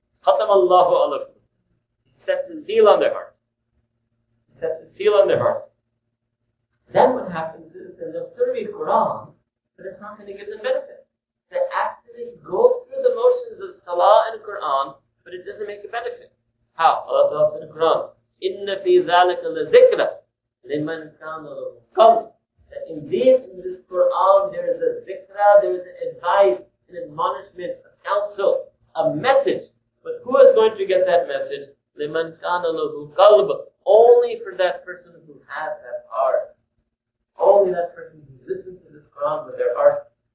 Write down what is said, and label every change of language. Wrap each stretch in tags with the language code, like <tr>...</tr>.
<ar>Khatamallahu alaikum.</ar> <en>He sets a seal on their heart. He sets a seal on their heart. Then what happens is that they'll still read Quran, but it's not going to give them benefit. They actually go through the motions of Salah and Quran, but it doesn't make a benefit. How? Allah Ta'ala said in Quran,</en> <ar>إِنَّ فِي ذَلَكَ لَذِكْرَ لِمَنْ كَانَ لَهُ قَوْمٌ.</ar> <en>That indeed in this Quran there is a dhikra, there is an advice, an admonishment, a counsel, a message. But who is going to get that message?</en> <ar>لِمَنْ كَانَ لَهُ قَلْبٌ.</ar> <en>Only for that person who has that heart. Only that person who listens to this Quran with their heart.</en>